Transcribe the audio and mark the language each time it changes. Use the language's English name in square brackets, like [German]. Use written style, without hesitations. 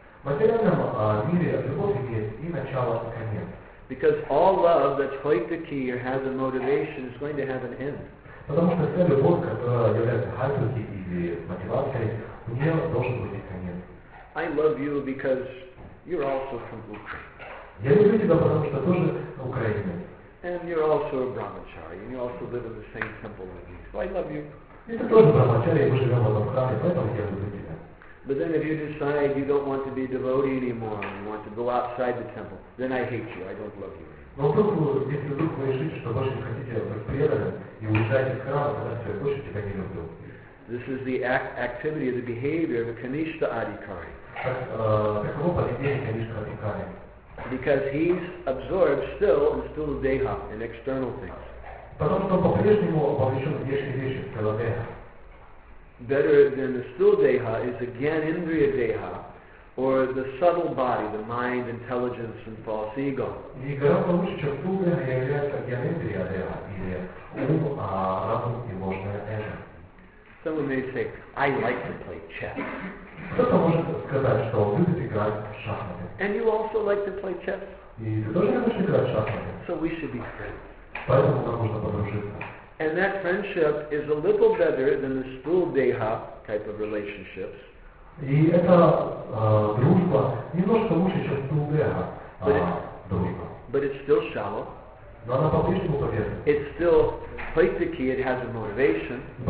[Russian] В материальном мире любовь имеет и начало, и конец. [English] Because all love that's quite the key or has a motivation is going to have an end. [Russian] Потому что вся любовь, которая является хайтуки или мотивацией, у нее должен быть конец. [English] I love you because you're also from Ukraine. [Russian] Я люблю тебя, потому что тоже украинец. [English] And you're also a brahmachari, and you also live in the same temple with me. So I love you. [Russian] Это тоже брахмачари, мы живем в одном храме, поэтому я люблю тебя. [English] But then if you decide you don't want to be a devotee anymore and you want to go outside the temple, then I hate you, I don't love you. [Russian] Но вдруг, если вдруг вы решите, что больше не хотите быть преданным и уезжаете из храма, тогда все, больше тебя не люблю. [English] This is the activity of the behavior of a Kanishtha Adhikari. [Russian] Каково поведение Kanishtha Adhikari? [English] Because he's absorbed still in stila deha, in external things. [Russian] Потому что по-прежнему вовлечен в внешние вещи, в стила деха. [English] Better than the stila deha is again indriya deha, or the subtle body, the mind, intelligence, and false ego. [Russian] И гораздо лучше, чем стила деха, является гьян индриа деха, или ум, разум и ложное эго. [English] Someone may say, I like to play chess. [Russian] Кто-то может сказать, что он любит играть в шахматы. [English] And you also like to play chess. [Russian] И ты тоже любишь играть в шахматы. [English] So we should be friends. [Russian] Поэтому нам нужно подружиться. [English] And that friendship is a little better than the stool deha type of relationships. [Russian] И эта дружба немножко лучше, чем стул деха дружба. [English] But it's still shallow. [Russian] Но она по-прежнему поверхностна. [English] It's still Paitiki, it has a motivation.